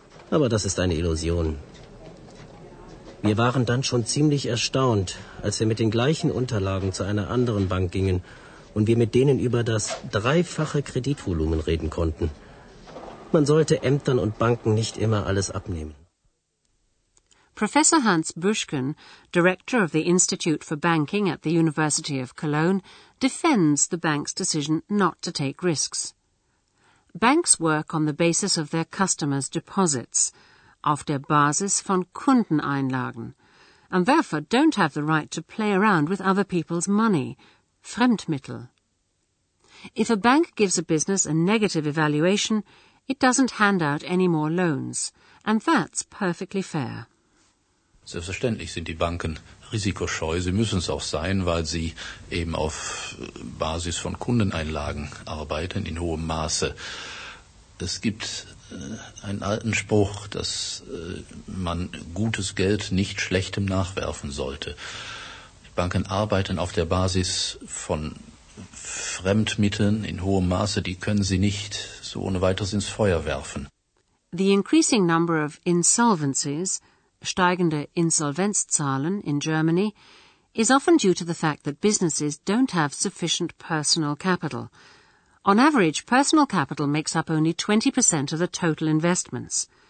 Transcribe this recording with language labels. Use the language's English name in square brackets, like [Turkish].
[German] Aber das ist eine Illusion. Wir waren dann schon ziemlich erstaunt, als wir mit den gleichen Unterlagen zu einer anderen Bank gingen und wir mit denen über das dreifache Kreditvolumen reden konnten. Man sollte Ämtern und Banken nicht immer alles abnehmen. [English] Professor Hans Büschken, director of the Institute for Banking at the University of Cologne, defends the bank's decision not to take risks. Banks work on the basis of their customers' deposits, [German] auf der Basis von Kundeneinlagen, [English] and therefore don't have the right to play around with other people's money, Fremdmittel. If a bank gives a business a negative evaluation, it doesn't hand out any more loans, and that's perfectly fair. [German] Selbstverständlich sind die Banken risikoscheu. Sie müssen es auch sein, weil sie eben auf Basis von Kundeneinlagen arbeiten in hohem Maße. Es gibt einen alten Spruch, dass man gutes Geld nicht schlechtem nachwerfen sollte. Die Banken arbeiten auf der Basis von Fremdmitteln in hohem Maße. Die können sie nicht so ohne weiteres ins Feuer werfen. [English] The increasing number of insolvencies, [German] steigende Insolvenzzahlen [English] in Germany, is often due to the fact that businesses don't have sufficient personal capital. On average, personal capital makes up only 20% of the total investments.